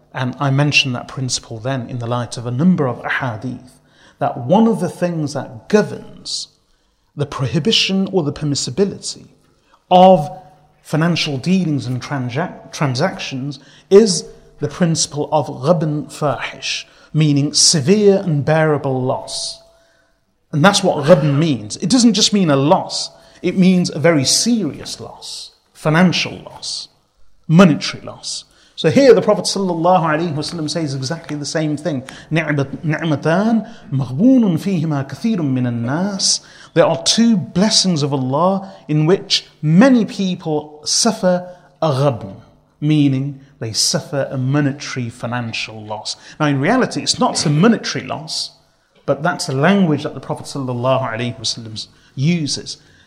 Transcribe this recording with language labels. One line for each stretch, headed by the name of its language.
English: And I mentioned that principle then in the light of a number of ahadith, that one of the things that governs the prohibition or the permissibility of financial dealings and transactions is the principle of ghabn fahish, meaning severe and bearable loss. And that's what ghabn means. It doesn't just mean a loss. It means a very serious loss, financial loss, monetary loss. So here the Prophet sallallahu alaihi wasallam says exactly the same thing.
Arabic: نعمتان مغبون فيهما كثير من الناس.
English: There are two blessings of Allah in which many people suffer a ghabn, meaning they suffer a monetary financial loss. Now in reality it's not a monetary loss, but that's the language that the Prophet sallallahu alaihi wasallam uses.